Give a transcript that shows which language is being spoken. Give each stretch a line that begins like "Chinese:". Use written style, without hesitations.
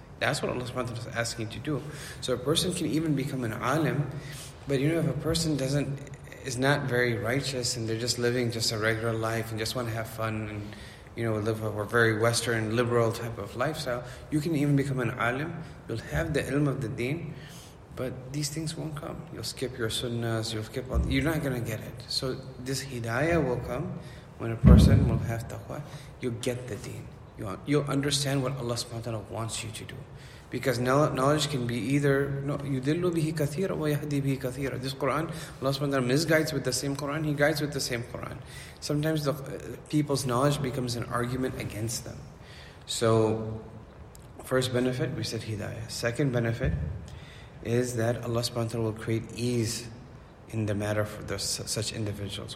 English: That's what Allah subhanahu wa ta'ala is asking you to do. So a person can even become an alim, but you know, if a person doesn't, is not very righteous, and they're just living just a regular life and just want to have fun and, you know, live a very Western liberal type of lifestyle, you can even become an alim. You'll have the ilm of the deen, but these things won't come. You'll skip your sunnahs, you'll skip all, you're not going to get it. So this hidayah will come when a person will have taqwa. You'll get the deen. You'll understand what Allah subhanahu wa ta'ala wants you to do. Because knowledge can be either,
Arabic: يُدِلُّ بِهِ كَثِيرًا وَيَهْدِي بِهِ كَثِيرًا.
English: This Qur'an, Allah subhanahu wa ta'ala misguides with the same Qur'an, He guides with the same Qur'an. Sometimes the people's knowledge becomes an argument against them. So, first benefit, we said hidayah. Second benefit is that Allah subhanahu wa ta'ala will create ease in the matter for such individuals.